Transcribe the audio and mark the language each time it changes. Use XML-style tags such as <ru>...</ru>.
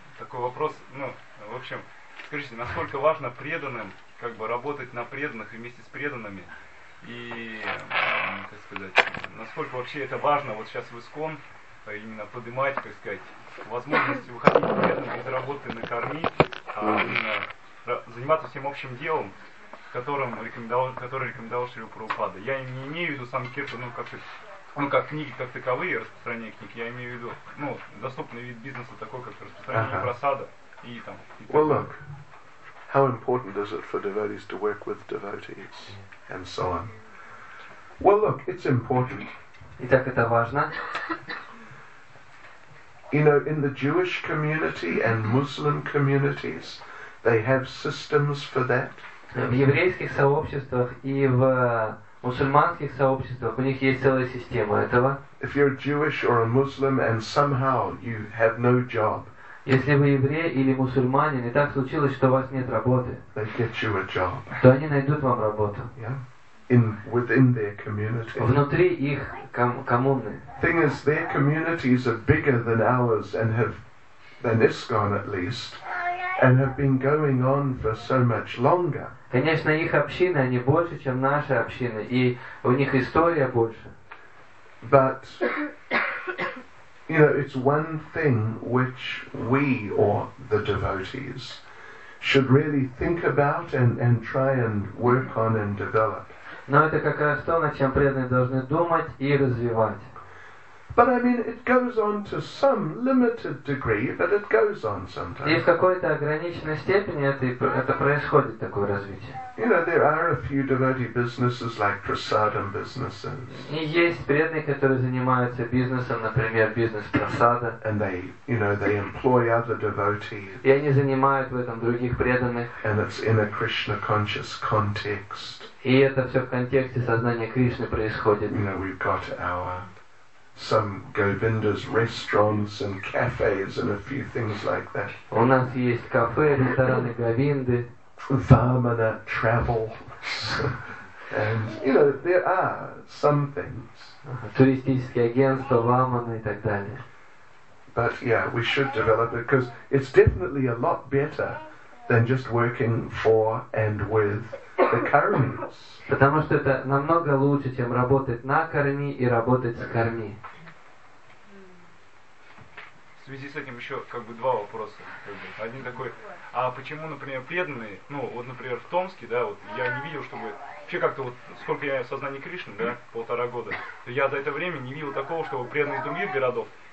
<ru>Такой вопрос, ну, в общем, скажите, насколько важно преданным, как бы, работать на преданных вместе с преданными, и, как сказать, насколько вообще это важно вот сейчас в ИСКОН именно поднимать, как сказать, возможности выходить преданных из работы на корми, а именно заниматься всем общим делом, который рекомендовал Шри Прабхупада. Я не имею в виду санкирту, как книги как таковые, распространение книг, я имею в виду, ну, доступный вид бизнеса такой, как распространение просада и там.</ru> <en>Well, look, how important is it for devotees to work with devotees and so on? Well, look, it's important.</en> <ru>Итак, это важно.</ru> <en>You know, in the Jewish community and Muslim communities, they have systems for that.</en> <ru>В еврейских сообществах и в мусульманских сообществах у них есть целая система этого.</ru> <en>If you're Jewish or a Muslim and somehow you have no job,</en> <ru>Если вы еврей или мусульманин, и так случилось, что у вас нет работы, то они найдут вам работу.</ru> <en>Within their community.</en> <ru>Внутри их коммуны.</ru> <en>Thing is, their communities are bigger than ours and have than ISKCON at least, and have been going on for so much longer.</en> <ru>Конечно, их общины они больше, чем наши общины, и у них история больше.</ru> <en>But you know, it's one thing which we or the devotees should really think about and try and work on and develop.</en> <ru>Но это как раз то, над чем преданные должны думать и развивать.</ru> <en>But I mean, it goes on to some limited degree, but it goes on sometimes.</en> <ru>И в какой-то ограниченной степени это происходит такое развитие.</ru> <en>You know, there are a few devotee businesses like prasadam businesses.</en> <ru>И есть преданные, которые занимаются бизнесом, например, бизнес прасада.</ru> <en>And they, you know, they employ other devotees.</en> <ru>И они занимают в этом других преданных.</ru> <en>And it's in a Krishna conscious context.</en> <ru>И это все в контексте сознания Кришны происходит.</ru> <en>You know, we've got our some Govinda's restaurants and cafes and a few things like that.</en> <ru>У нас есть кафе, рестораны Говинды.</ru> <en>Vamana travel. And you know, there are some things.</en> <ru>Туристические агентства Vamana и так далее.</ru> <en>But yeah, we should develop it because it's definitely a lot better than just working for and with the karmis.</en> <ru>Потому что это намного лучше, чем работать на карми и работать с карми. В связи с этим еще как бы два вопроса. Один такой: а почему, например, преданные, ну вот, например, в Томске, да, вот я не видел, чтобы вообще как-то вот сколько я в сознании Кришны, да, полтора года, я за это время не видел такого, чтобы преданные из других городов,</ru>